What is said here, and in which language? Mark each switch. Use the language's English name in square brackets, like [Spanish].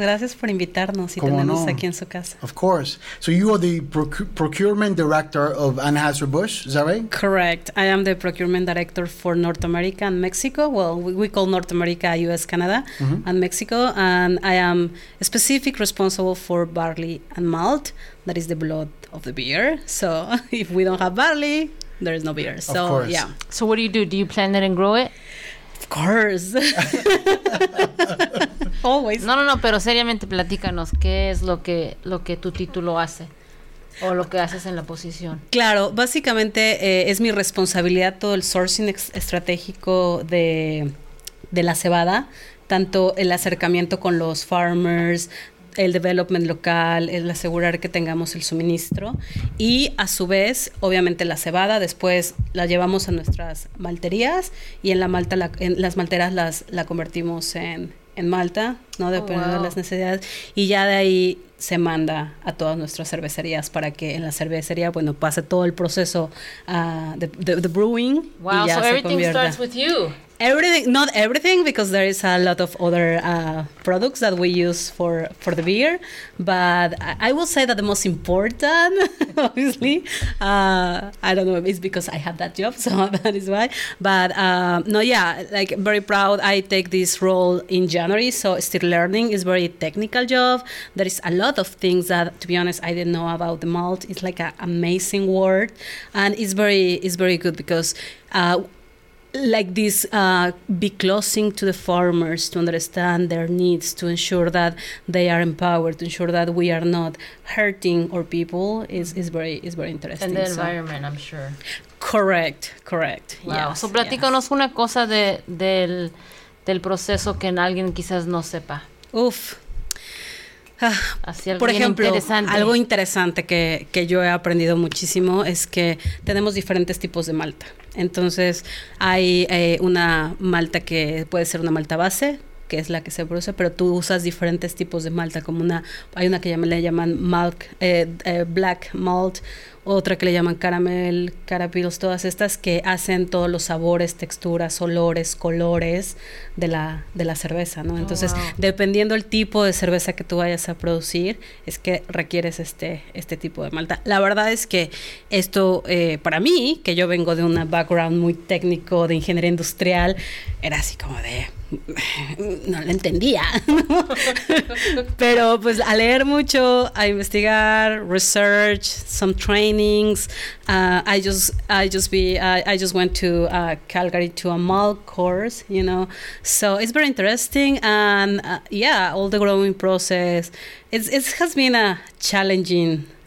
[Spanish] Gracias por invitarnos y tenernos aquí en su casa. [English] Of course. So you are the procurement director of Anheuser Busch, is that right? Correct. I am the procurement director for North America and Mexico. Well, we call North America U.S., Canada, mm-hmm. and Mexico. And I am specifically responsible for barley and malt. That is the blood of the beer. So if we don't have barley, there is no beer. So, of course. Yeah. So what do you plant it and grow it? Of course. Always. [Spanish] No, pero seriamente platícanos qué es lo que tu título hace o lo que haces en la posición. Claro, básicamente es mi responsabilidad todo el sourcing estratégico de la cebada, tanto el acercamiento con los farmers, el development local, el asegurar que tengamos el suministro y a su vez, obviamente la cebada, después la llevamos a nuestras malterías y en la malta, las malteras las convertimos en malta, ¿no? Dependiendo de las necesidades y ya de ahí se manda a todas nuestras cervecerías para que en la cervecería, bueno, pase todo el proceso de brewing. [English] Wow, [Spanish] y ya [English] so [Spanish] se [English] everything [Spanish] convierta. [English] Starts with you. Everything, not everything, because there is a lot of other products that we use for the beer. But I will say that the most important, obviously, I don't know, it's because I have that job, so that is why. But very proud. I take this role in January, so still learning. It's a very technical job. There is a lot of things that, to be honest, I didn't know about the malt. It's like an amazing word, and it's very good because. Like this, be closing to the farmers to understand their needs, to ensure that they are empowered, to ensure that we are not hurting our people is very interesting. And the environment, I'm sure. Correct. Wow. [Spanish] Yes, so, platícanos una cosa del proceso que alguien quizás no sepa. Uf. Por ejemplo, algo interesante que yo he aprendido muchísimo es que tenemos diferentes tipos de malta. Entonces, hay una malta que puede ser una malta base, que es la que se produce, pero tú usas diferentes tipos de malta, como hay una que le llaman black malt, otra que le llaman caramel, carapils, todas estas que hacen todos los sabores, texturas, olores, colores de la cerveza, ¿no? Entonces, [English] wow. [Spanish] Dependiendo el tipo de cerveza que tú vayas a producir, es que requieres este tipo de malta. La verdad es que esto, para mí, que yo vengo de un background muy técnico de ingeniería industrial, era así como de... no lo entendía, pero pues a leer mucho, a investigar, [English] research, some trainings, I just went to Calgary to a malt course, you know, so it's very interesting, and all the growing process, it has been a challenging